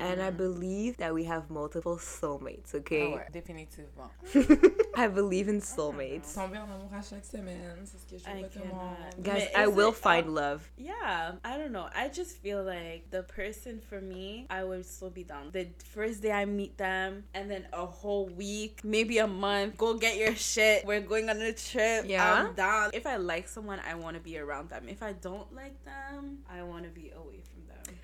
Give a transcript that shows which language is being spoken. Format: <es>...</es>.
<en>And I believe that we have multiple soulmates, okay?</en> <fr>Oh, ouais. Définitivement.</fr> <en>I believe in soulmates.</en> <fr>Tomber en amour à chaque semaine, c'est ce que je veux que moi.</fr> <en>Guys, I will find love. Yeah, I don't know. I just feel like the person for me, I would still be down. The first day I meet them, and then a whole week, maybe a month, go get your shit. We're going on a trip. Yeah. I'm down. If I like someone, I want to be around them. If I don't like them, I want to be away from them.</en>